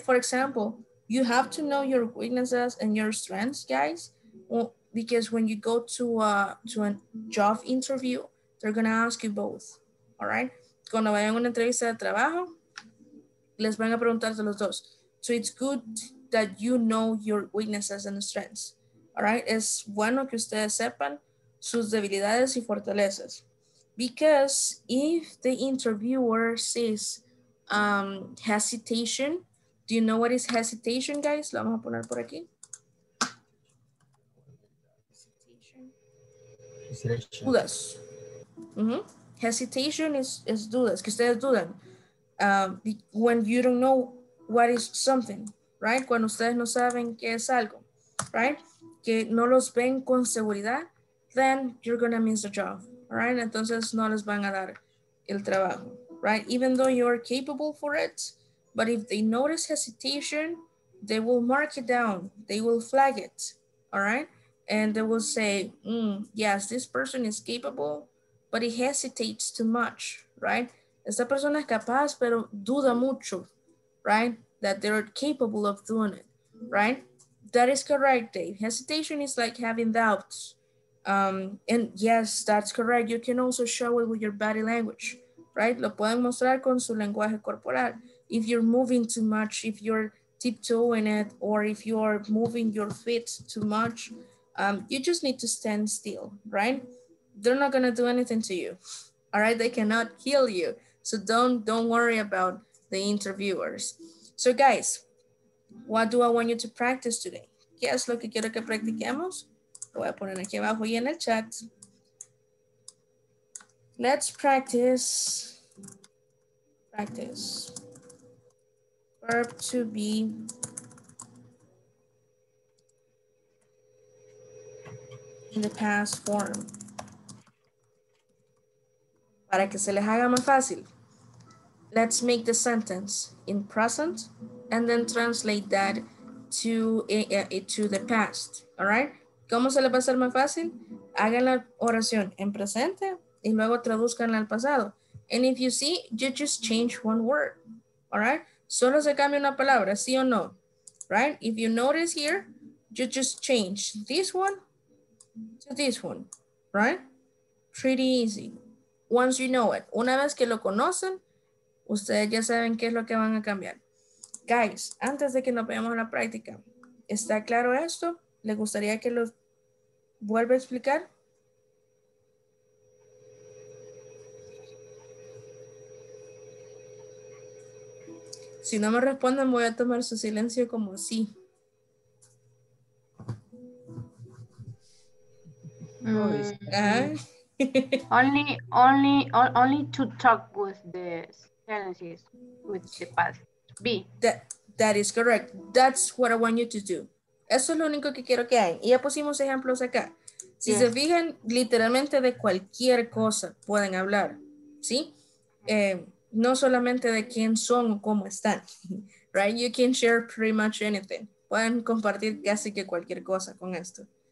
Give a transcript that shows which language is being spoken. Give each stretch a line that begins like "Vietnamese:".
English: For example, you have to know your weaknesses and your strengths, guys, because when you go to a job interview, they're gonna ask you both, all right?
Spanish: Cuando vayan a una entrevista de trabajo, les van a preguntar a los dos.
English: So it's good that you know your weaknesses and strengths. All right,
Spanish: es bueno que ustedes sepan sus debilidades y fortalezas.
English: Because if the interviewer sees hesitation, do you know what is hesitation, guys?
Spanish: Lo vamos a poner por aquí.
English: Hesitation.
Spanish: Dudas. Mm-hmm.
English: Hesitation is
Spanish: dudas, que ustedes dudan.
English: When you don't know what is something, right?
Spanish: Cuando ustedes no saben qué es algo, right? Que no los ven con seguridad,
English: then you're gonna miss the job, all right?
Spanish: Entonces no les van a dar el trabajo, right?
English: Even though you're capable for it, but if they notice hesitation, they will mark it down, they will flag it, all right? And they will say, yes, this person is capable, but he hesitates too much, right?
Spanish: Esta persona es capaz, pero duda mucho,
English: right? That they're capable of doing it, right? That is correct, Dave. Hesitation is like having doubts. And yes, that's correct. You can also show it with your body language, right?
Spanish: Lo pueden mostrar con su lenguaje corporal.
English: If you're moving too much, if you're tiptoeing it, or if you're moving your feet too much, you just need to stand still, right? They're not gonna do anything to you, all right? They cannot kill you. So don't worry about the interviewers. So guys, what do I want you to practice today?
Spanish: ¿Qué es lo que quiero que practiquemos? Lo voy a poner aquí abajo y en el chat.
English: Let's practice verb to be in the past form.
Spanish: Para que se les haga más fácil.
English: Let's make the sentence in present and then translate that to the past, all right?
Spanish: ¿Cómo se le va a hacer más fácil? Hagan la oración en presente y luego traduzcanla al pasado.
English: And if you see, you just change one word, all right?
Spanish: Solo se cambia una palabra, sí o no,
English: right? If you notice here, you just change this one to this one, right? Pretty easy. Once you know it,
Spanish: una vez que lo conocen, ustedes ya saben qué es lo que van a cambiar. Guys, antes de que nos veamos a la práctica, ¿está claro esto? ¿Le gustaría que lo vuelva a explicar? Si no me responden, voy a tomar su silencio como sí.
English: Only to talk with the sentences, with the past. Be. That is correct. That's what I want you to do.
Spanish: Eso es lo único que quiero que hagan. Y ya pusimos ejemplos acá. Si yeah. se fijan, literalmente de cualquier cosa pueden hablar, ¿sí? No solamente de quién son o cómo están, right?
English: You can share pretty much anything.
Spanish: Pueden compartir casi que cualquier cosa con esto.